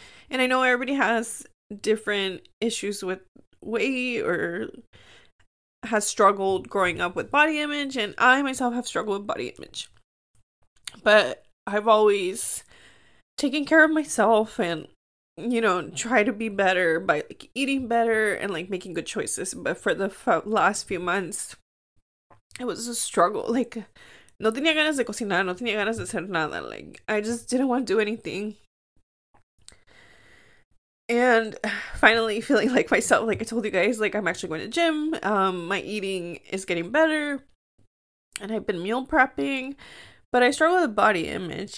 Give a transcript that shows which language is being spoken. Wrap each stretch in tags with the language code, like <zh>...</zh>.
<en>And I know everybody has different issues with weight or has struggled growing up with body image, and I myself have struggled with body image. But I've always taken care of myself and, try to be better by like eating better and like making good choices. But for the last few months, it was a struggle.</en> <es>Like, no tenía ganas de cocinar, no tenía ganas de hacer nada.</es> <en>Like, I just didn't want to do anything. And finally feeling like myself, like I told you guys, like I'm actually going to gym. My eating is getting better and I've been meal prepping, but I struggle with body image.</en>